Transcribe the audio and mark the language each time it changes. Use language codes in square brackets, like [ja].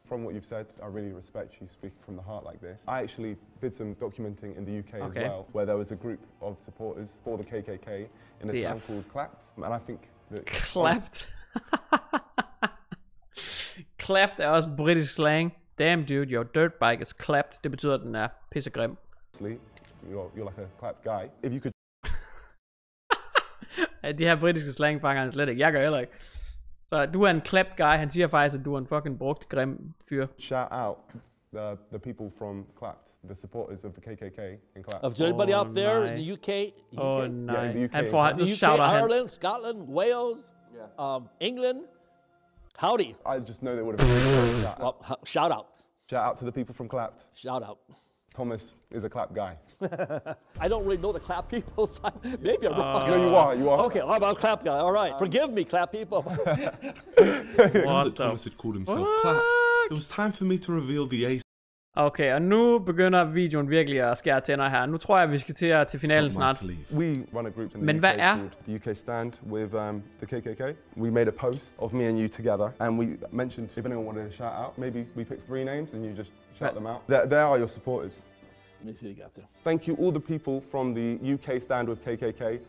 [en] From what you've said, I really respect you speaking from the heart like this. I actually did some documenting in the UK as well, where there was a group of supporters for the KKK in a town called Clapt. And I think that... Clapt? [da] Clapt er også britisk slang. [en] Damn dude, your dirt bike is clapped. [da] Det betyder, at den er pissegrim. [en] You're like a clapped guy. If you could... [da] De her britiske slang fanger han slet ikke. Jeg gør heller ikke. Så du er en [en] clapped guy. [da] Han siger faktisk, at du er en fucking brugt, grim fyr. [en] Shout out the people from Clapt. The supporters of the KKK in Clapt. Of anybody out there in the UK? [da] Oh, nej. [en] Yeah, in the UK. [da] Han får [en] in the UK, shout out Ireland, him. Scotland, Wales, England. Howdy. I just know they would have been Shout out. Shout out to the people from Clapt. Shout out. Thomas is a clap guy. I don't really know the clap people, so maybe I'm wrong. No, you are. Okay, I'm a clap guy, all right. Forgive me, clap people. What the Thomas had called himself clapped. It was time for me to reveal the ace. [da] Okay, og nu begynder videoen virkelig at skære tænder her. Nu tror jeg, vi skal til finalen snart. [en] We run a group in the [da] Men [en] UK [da] hvad er? [en] The UK Stand with the KKK. We made a post of me and you together, and we mentioned if anyone wanted a shout out, maybe we picked three names and you just shout them out. They are your supporters. Let me see you got there. Thank you all the people from the UK Stand with KKK.